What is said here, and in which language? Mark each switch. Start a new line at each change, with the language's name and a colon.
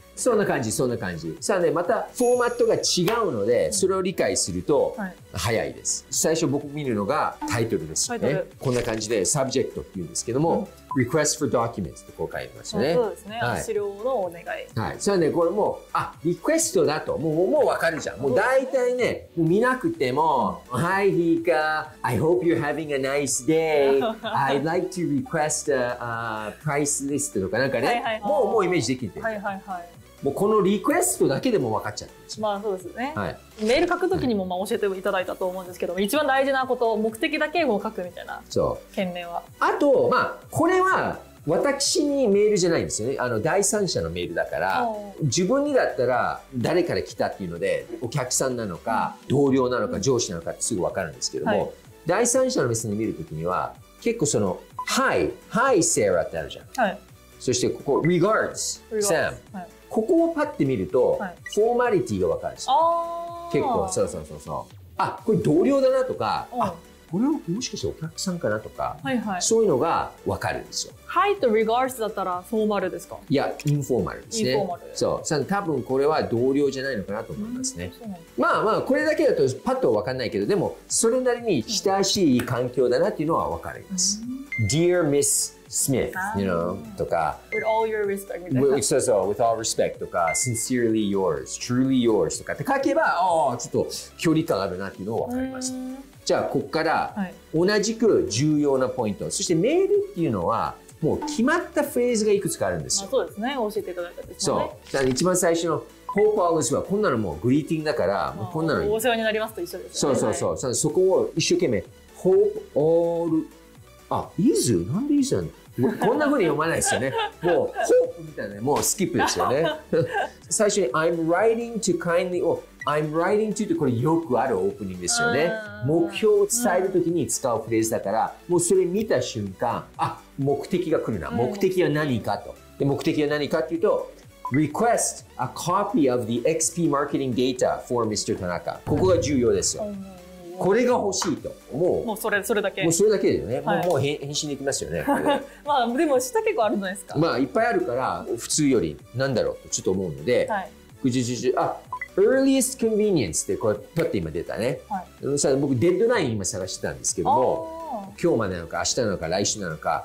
Japanese: そんな感じ、そんな感じ。さあね、またフォーマットが違うので、うん、それを理解すると早いです。はい、最初僕見るのがタイトルですよね。こんな感じでサブジェクトって言うんですけども、うん、
English: Request for Documents
Japanese: ってこう書いてますね。そうですね、はい、資料のお願い、はい、さあね、これもう、あ、リクエストだと、もう分かるじゃん。もう大体ね、もう見なくても、はい、ヒーカー、
English: I hope you're having a nice dayI'd like to request a price list
Japanese: とかなんかね、はいはいはい、もうイメージできて、はいはいはい、もうこのリクエストだけでも分かっちゃうんです。まあそうですね、はい、メール書くときにもまあ教えていただいたと思うんですけど、うん、一番大事なこと、目的だけを書くみたいな。そう、件名はあと、まあこれは私にメールじゃないんですよね。あの第三者のメールだから、自分にだったら誰から来たっていうので、お客さんなのか、うん、同僚なのか、うん、上司なのかってすぐ分かるんですけども、はい、第三者の目線で見るときには結構その Hi Hi Sarah ってあるじゃん、はい、そしてここ Regards Sam、はい、ここをパッて見ると、はい、フォーマリティが分かるんですよ。結構そうそうそうそう、あこれ同僚だなとか、あこれはもしかしてお客さんかなとか、はいはい、そういうのが分かるんですよ。 Hi と Regards だったらフォーマルですか？いや、インフォーマルですね。インフォーマル。そう、多分これは同僚じゃないのかなと思いますね。うん、そうなんですね。まあまあこれだけだとパッと分かんないけど、でもそれなりに親しい環境だなっていうのは分かります。
English: うん、Dear Miss Smith, you know, とか、 With all your respect, with, so, so, with all respect
Japanese: とか、
English: Sincerely yours, Truly yours
Japanese: とかって書けば、ちょっと距離感あるなっていうのは分かります。じゃあここから同じく重要なポイント、はい、そしてメールっていうのはもう決まったフレーズがいくつかあるんですよ。そうですね、教えていただいたんですね。そう、だから一番最初の
English: Hope all is well、
Japanese: こんなのもうグリーティングだから、もうこんなのお世話になりますと一緒ですよね。そうそうそう、はい、そこを一生懸命
English: Hope all、
Japanese: あ、is、 なんで is なんだ、こんな風に読まないですよね。もう、ホープみたいな、もうスキップですよね。最初に、
English: I'm writing to kindly, or I'm writing to
Japanese: って、これよくあるオープニングですよね。目標を伝えるときに使うフレーズだから、うん、もうそれ見た瞬間、あ、目的が来るな。目的は何かと。で、目的は何かっていうと、
English: Request a copy of the XP marketing data for Mr.
Japanese: Tanaka。 ここが重要ですよ。これが欲しいと。もうそれだけ。もうそれだけですよね。はい、もう返信できますよね。まあでも下結構あるじゃないですか。まあいっぱいあるから、普通より何だろうとちょっと思うので、はい、じゅじゅじゅ、あ、earliest convenience ってこれパッて今出たね。はい、さ、僕デッドライン今探してたんですけども、今日までなのか明日なのか来週なのか、